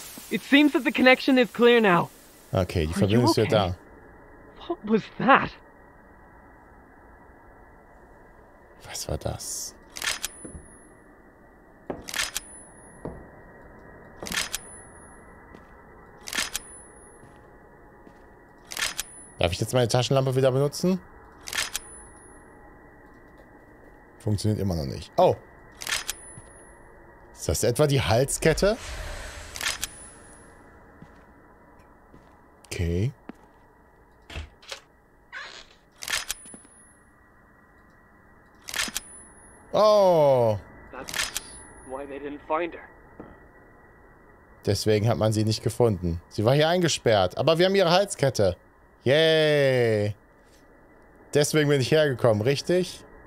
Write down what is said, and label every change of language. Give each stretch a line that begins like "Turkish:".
English: It seems that the connection is clear now.
German: Okay, die Verbindung ist wieder da.
English: What was that?
German: Was war das? Darf ich jetzt meine Taschenlampe wieder benutzen? Funktioniert immer noch nicht. Oh! Ist das etwa die Halskette? Okay. Oh!
English: That's why they didn't find her.
German: Deswegen hat man sie nicht gefunden. Sie war hier eingesperrt. Aber wir haben ihre Halskette. Yay! Deswegen bin ich hergekommen, richtig?